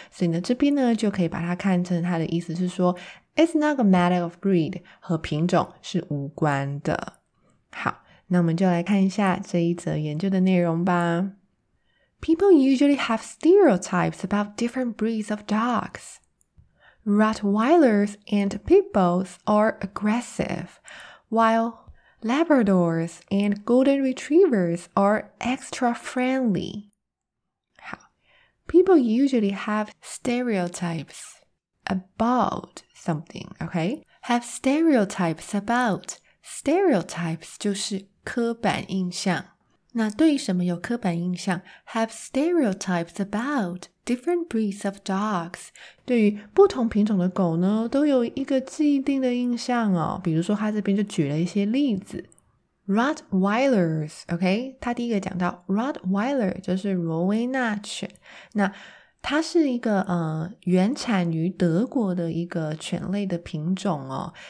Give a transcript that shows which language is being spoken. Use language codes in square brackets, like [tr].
[zh] 所以呢这边呢就可以把它看成它的意思是说 [en] it's not a matter of breed， [zh] 和品种是无关的。好，那我们就来看一下这一则研究的内容吧。 [en] People usually have stereotypes about different breeds of dogs. Rottweilers and pit bulls are aggressive, while Labradors and Golden Retrievers are extra friendly. How? People usually have stereotypes about something, okay? Have stereotypes about. Stereotypes [zh] 就是刻板印象。那对于什么有刻板印象 [en] ？Have stereotypes about different breeds of dogs. [zh] 对于不同品种的狗呢，都有一个既定的印象哦。比如说，他这边就举了一些例子。 [en] Rottweilers, OK? [zh] 他第一个讲到 Rottweiler 就是罗威纳犬。那它是一个原产于德国的一个犬类的品种哦。